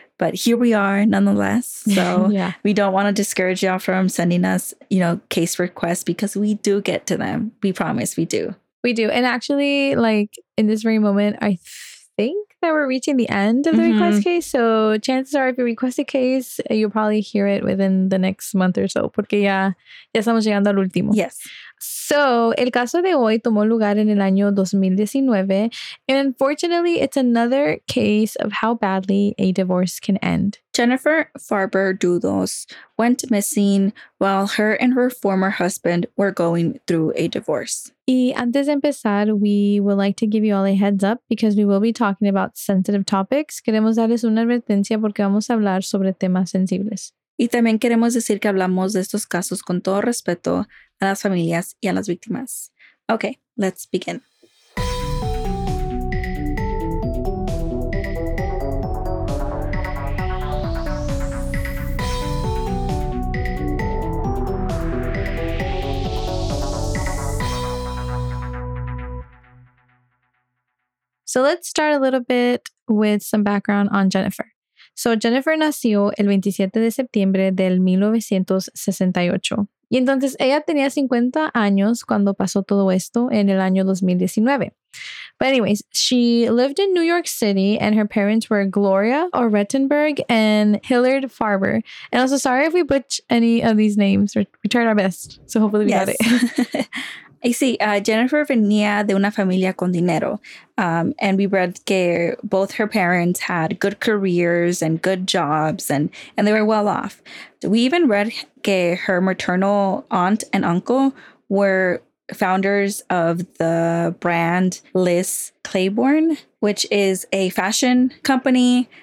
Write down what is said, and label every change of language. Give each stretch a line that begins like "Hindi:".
English: But here we are nonetheless. So we don't want to discourage y'all from sending us, you know, case requests because we do get to them. We promise we do. We do. And actually, like in this very moment, I think that we're reaching the end of the request case. So chances are if you request a case, you'll probably hear it within the next month or so.
Spanish: Porque ya estamos llegando al último.
English: Yes.
Spanish: So el caso de hoy tomó lugar en el año 2019.
English: And unfortunately, it's another case of how badly a divorce can end. Jennifer Farber Doodles went missing while her and her former husband were going through a divorce.
Spanish: Y antes de empezar,
English: we would like to give you all a heads up because we will be talking about sensitive topics.
Spanish: Queremos darles una advertencia porque vamos a hablar sobre temas sensibles. Y también queremos decir que hablamos de estos casos con todo respeto a las familias y a las víctimas.
English: Okay, let's begin. So let's start a little bit with some background on Jennifer.
Spanish: So Jennifer nació el 27 de septiembre del 1968. Y entonces ella tenía 50 años cuando pasó todo esto en el año 2019.
English: But anyways, she lived in New York City and her parents were Gloria Orettenberg and Hillard Farber. And also, sorry if we butch any of these names. We tried our best. So hopefully we got it.
Spanish: Y sí, Jennifer venía de una familia con dinero.
English: And we read that both her parents had good careers and good jobs and they were well off. We even read that her maternal aunt and uncle were founders of the brand Liz Claiborne, which is a fashion company.